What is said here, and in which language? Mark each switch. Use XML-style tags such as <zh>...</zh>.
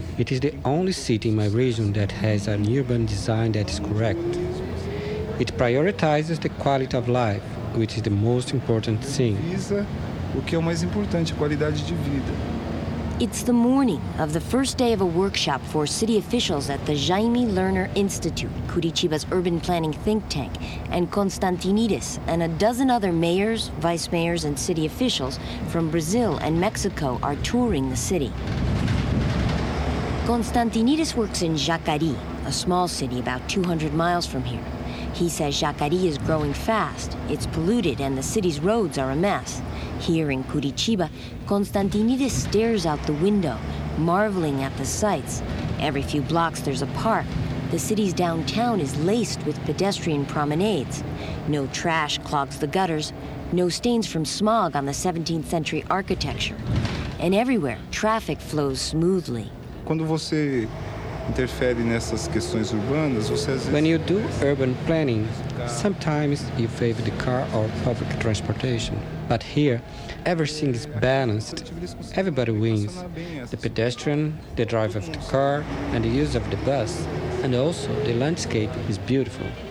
<en>It is the only city in my region that has an urban design that is correct. It prioritizes the quality of life, which is the most important thing.</en> <pt>O que é o mais importante, a qualidade de vida.</pt> <en>It's the morning of the first day of a workshop for city officials at the Jaime Lerner Institute, Curitiba's urban planning think tank, and Constantinides and a dozen other mayors, vice mayors, and city officials from Brazil and Mexico are touring the city. Constantinides works in Jacarí, a small city about 200 miles from here. He says Jacarí is growing fast, it's polluted, and the city's roads are a mess. Here in Curitiba, Constantinides stares out the window, marveling at the sights. Every few blocks, there's a park. The city's downtown is laced with pedestrian promenades. No trash clogs the gutters, no stains from smog on the 17th century architecture. And everywhere, traffic flows smoothly.</en> <pt>Quando você interfere nessas questões urbanas, você às vezes...</pt> <en>When you do urban planning, sometimes you favor the car or public transportation. But here, everything is balanced. Everybody wins. The pedestrian, the driver of the car, and the user of the bus. And also, the landscape is beautiful.</en>